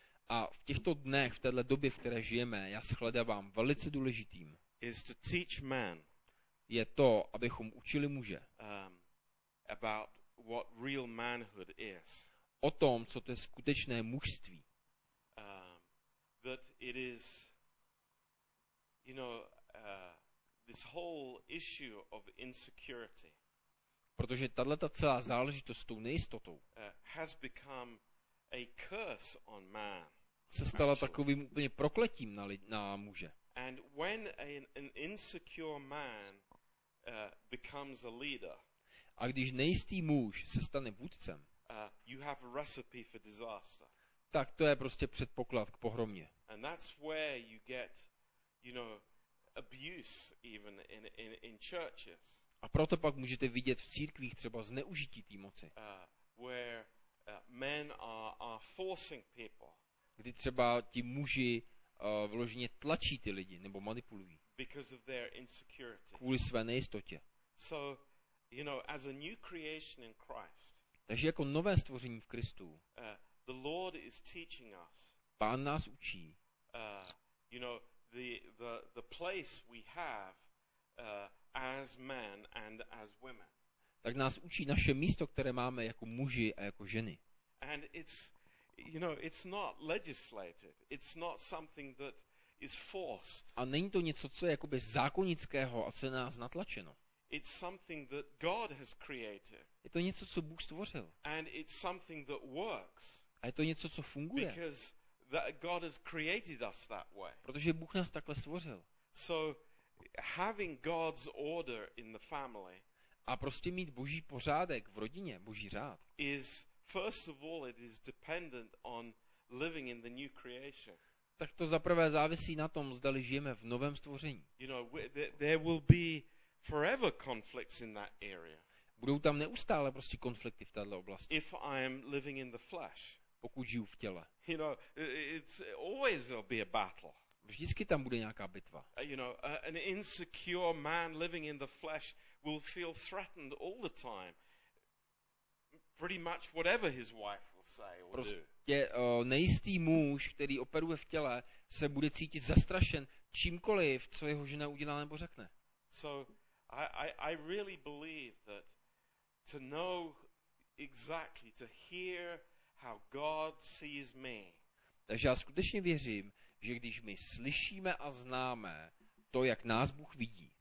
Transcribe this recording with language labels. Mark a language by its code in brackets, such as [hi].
[cs] A v těchto dnech, v této době, v které žijeme, já shledávám velice důležitým. [en] Is to teach men. [cs] Je to, abychom učili muže. [en] About what real manhood is. [cs] O tom, co to je skutečné mužství. [en] That it is, you know, this whole issue of insecurity. [cs] Protože tahle ta celá záležitost s tou nejistotou [en] has become a curse on man, [cs] se stala takovým úplně prokletím na, na muže. [en] And when an insecure man becomes a leader, [cs] a když nejistý muž se stane vůdcem, [en] you have a recipe for disaster. [cs] Tak to je prostě předpoklad k pohromě. [en] And that's where you get, you know, abuse even in churches. [cs] A proto pak můžete vidět v církvích třeba zneužití té moci. [en] Where men are forcing people. [cs] Kdy třeba ti muži vloženě tlačí ty lidi nebo manipulují. [en] Because of their insecurity. [cs] Kvůli své nejistotě. [en] So, you know, as a new creation in Christ. [cs] Takže jako nové stvoření v Kristu. [en] The Lord is teaching us. [cs] Pán nás učí. [en] You know, the place we have as men and as women. [cs] Tak nás učí naše místo, které máme jako muži a jako ženy. [en] And it's, you know, it's not legislated. It's not something that is forced. [cs] A není to něco, co je jakoby zákonického a co je nás natlačeno. [en] It's something that God has created. [cs] Je to něco, co Bůh stvořil. [en] And it's something that works. [cs] A je to něco, co funguje. [en] Because that God has created us that way. [cs] Protože Bůh nás takhle stvořil. [en] So having God's order in the family. [cs] A prostě mít Boží pořádek v rodině, Boží řád. [en] Is first of all it is dependent on living in the new creation. [cs] Tak to zaprvé závisí na tom, zda žijeme v novém stvoření. [en] You know, there will be forever conflicts in that area. [cs] Budou tam neustále prostě konflikty v této oblasti. [en] If I am living in the flesh. [cs] Pokud žiju v těle. [en] You know, it's always there'll be a battle. [cs] Vždycky tam bude nějaká bitva. [en] You know, an insecure man living in the flesh will feel threatened all the time. Pretty much whatever his wife will say or [cs] prostě, [en] do. [cs] Prostě nejistý muž, který operuje v těle, se bude cítit zastrašen čímkoliv, co jeho žena udělá nebo řekne. [en] So I really believe that to know exactly, to hear how God sees me. [cs] Takže já skutečně věřím, že když my slyšíme a známe to, jak nás Bůh vidí,